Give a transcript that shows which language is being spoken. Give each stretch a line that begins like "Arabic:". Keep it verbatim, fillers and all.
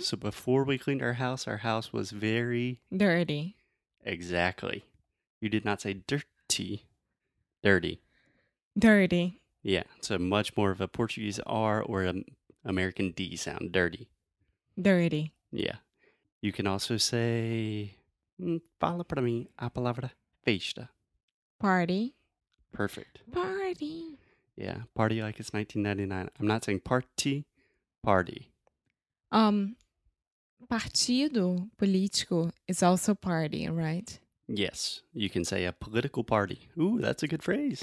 English: So before we cleaned our house, our house was very... dirty. Exactly. You did not say dirty. Dirty. Dirty. Yeah. So much more of a Portuguese R or an American D sound. Dirty. Dirty. Yeah. You can also say
Portuguese: Hum, Fala para mim a palavra festa.
English: Party. Perfect. Party. Yeah, party like it's nineteen ninety-nine. I'm not saying party, party. Um, Partido político is also party, right? Yes, you can say a political party. Ooh, that's a good phrase.